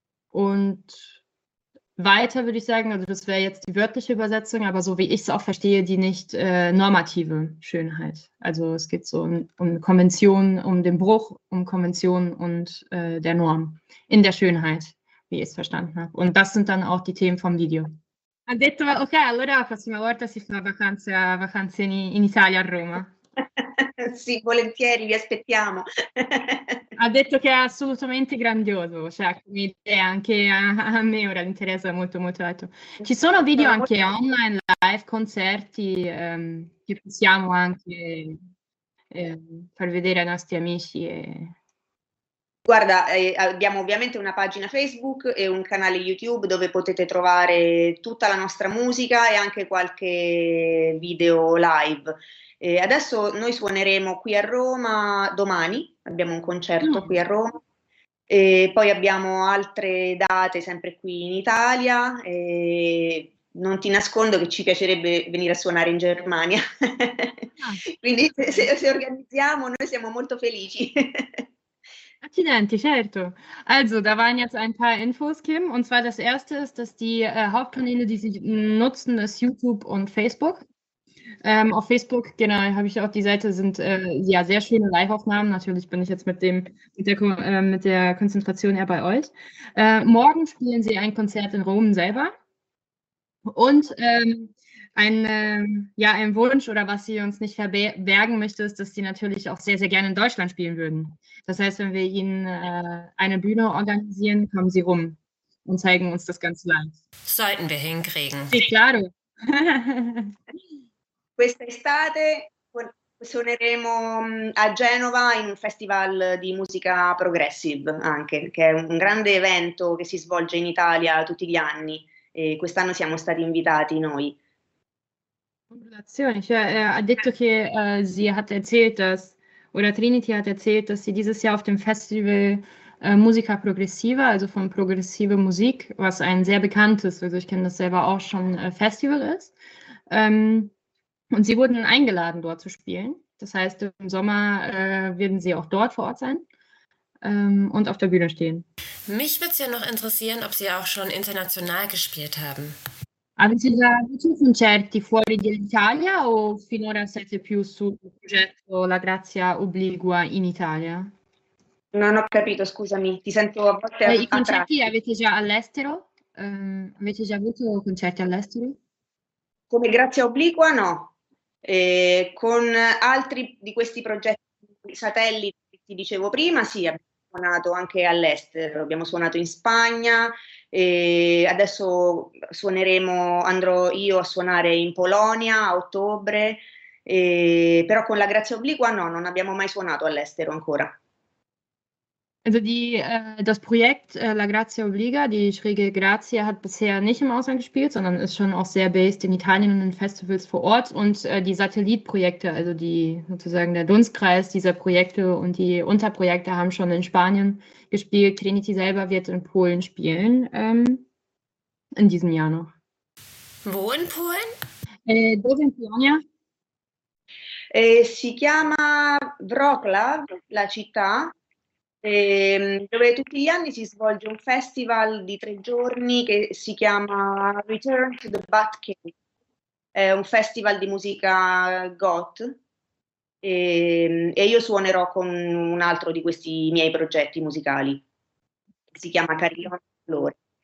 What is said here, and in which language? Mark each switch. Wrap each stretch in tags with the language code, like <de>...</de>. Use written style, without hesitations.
<de>Und weiter würde ich sagen, also das wäre jetzt die wörtliche Übersetzung, aber so wie ich es auch verstehe, die nicht normative Schönheit. Also es geht so um Konventionen, um den Bruch, um Konventionen und der Norm in der Schönheit, wie ich es verstanden habe. Und das sind dann auch die Themen vom Video.</de> <it>Ha detto, ok, allora la prossima volta si fa vacanze in Italia, a Roma. Sì, volentieri, vi aspettiamo. Ha detto che è assolutamente grandioso, cioè è anche a me ora l'interesse è molto molto alto. Ci sono video anche online, live, concerti, che possiamo anche far vedere ai nostri amici. E... Guarda, abbiamo ovviamente una pagina Facebook e un canale YouTube dove potete trovare tutta la nostra musica e anche qualche video live. E adesso noi suoneremo qui a Roma domani, abbiamo un concerto qui a Roma, e poi abbiamo altre date sempre qui in Italia, e non ti nascondo che ci piacerebbe venire a suonare in Germania, quindi se organizziamo noi siamo molto felici. Accidenti, certo.</it> <de>Also, da waren jetzt ein paar Infos, Kim. Und zwar das erste ist, dass die Hauptkanäle, die sie nutzen, ist YouTube und Facebook. Auf Facebook, genau, habe ich auch die Seite, sind ja sehr schöne Live-Aufnahmen. Natürlich bin ich jetzt mit der Konzentration eher bei euch. Morgen spielen sie ein Konzert in Rom selber. Und ein Wunsch oder was sie uns nicht verbergen möchte, ist, dass sie natürlich auch sehr, sehr gerne in Deutschland spielen würden. Das heißt, wenn wir ihnen eine Bühne organisieren, kommen sie rum und zeigen uns das ganze Land. Sollten wir hinkriegen.</de> <it>Sì, claro. Questa estate suoneremo a Genova in un festival di musica progressive, anche, che è un grande evento che si svolge in Italia tutti gli anni. E quest'anno siamo stati invitati noi. Congratulazioni. Cioè, ha detto che</it> <de>sie hat erzählt, dass, oder Trinity hat erzählt, dass sie dieses Jahr auf dem Festival Musica Progressiva, also von Progressive Musik, was ein sehr bekanntes, also ich kenne das selber auch schon, Festival ist. Und sie wurden eingeladen, dort zu spielen. Das heißt, im Sommer werden sie auch dort vor Ort sein und auf der Bühne stehen. Mich würde es ja noch interessieren, ob sie auch schon international gespielt haben.</de> <it>Avete già avuto concerti fuori dall'Italia o finora siete più sul progetto La Grazia Obligua in Italia? Non ho capito, scusami, ti sento a volte I concerti avete già all'estero? Avete già avuto concerti all'estero? Come Grazia Obligua no, con altri di questi progetti satelliti che ti dicevo prima sì, abbiamo suonato anche all'estero, abbiamo suonato in Spagna, adesso andrò io a suonare in Polonia a ottobre, però con la Grazia Obligua no, non abbiamo mai suonato all'estero ancora.</it> <de>Also das Projekt La Grazia Obliga, die schräge Grazia, hat bisher nicht im Ausland gespielt, sondern ist schon auch sehr based in Italien und in Festivals vor Ort. Und die Satellitprojekte, also die sozusagen der Dunstkreis dieser Projekte und die Unterprojekte haben schon in Spanien gespielt. Trinity selber wird in Polen spielen, in diesem Jahr noch. Wo in Polen?</de> <it>Dove in Polonia? Si chiama Wrocław, la città. Dove tutti gli anni si svolge un festival di tre giorni che si chiama Return to the Bat Cave, è un festival di musica goth e io suonerò con un altro di questi miei progetti musicali, si chiama Carillon del Dolore.</it>